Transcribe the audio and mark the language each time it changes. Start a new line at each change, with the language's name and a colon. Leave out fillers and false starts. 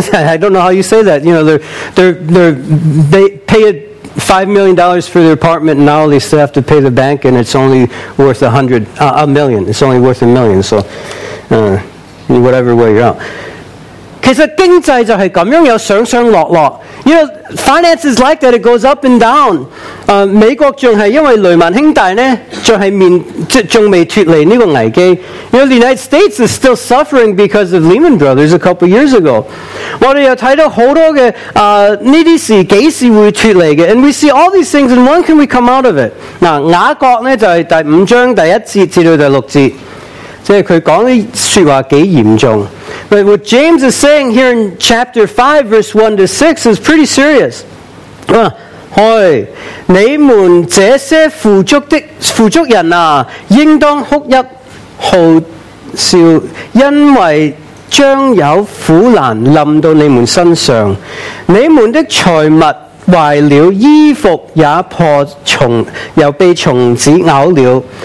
English: I don't know how you say that. You know, they pay $5 million for their apartment, and now they still have to pay the bank, and it's only worth a million. It's only worth $1 million. So, whatever way you're out.
Cantonese: 其实经济就是咁样，有上上落落。
English: You know, finance is like that. It goes up and down.
Cantonese: 美国仲系因为雷曼兄弟呢，仲系面仲未脱离呢个危机。
English: You know, the United States is still suffering because of Lehman Brothers a couple years ago.
Cantonese: 我哋又睇到好多嘅呢啲事几时会脱离嘅
English: ，and we see all these things, and when can we come out of it?
Cantonese: 嗱，雅各咧就系第五章第一节至到第六节。即是他讲的说话几严重。
English: But what James is saying here in chapter 5, verse 1 to 6 is pretty serious.
Cantonese: 哎，你们这些富足人啊，应当哭泣号啸，因为将有苦难临到你们身上。你们的财物坏了，衣服也破虫，又被虫子咬了。